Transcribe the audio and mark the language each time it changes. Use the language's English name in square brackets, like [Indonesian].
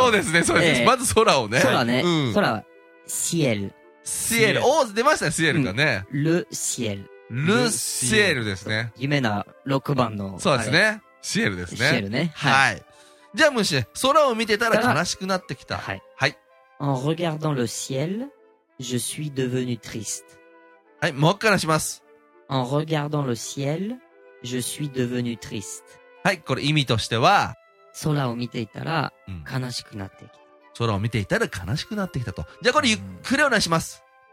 [Japanese] そうですね、そうです。まず空をね。空ね。うん、空は、シエル。シエル。おー、出ましたね、シエルがね。うん、ル・シエル。ル・シエルですね。夢な6番の。そうですね。シエルですね。シエルね。はい。はい、じゃあ、むしろ、空を見てたら悲しくなってきた。はい。はい。 [French] En regardant le ciel, je suis devenu triste. [Japanese] はい、もう一回話します。 [French] En regardant le ciel, je suis devenu triste. [Japanese] はい、これ意味としては、空を見ていたら悲しくなってきた、うん。空を見ていたら悲しくなってきたと。じゃあこれゆっくりお願いします。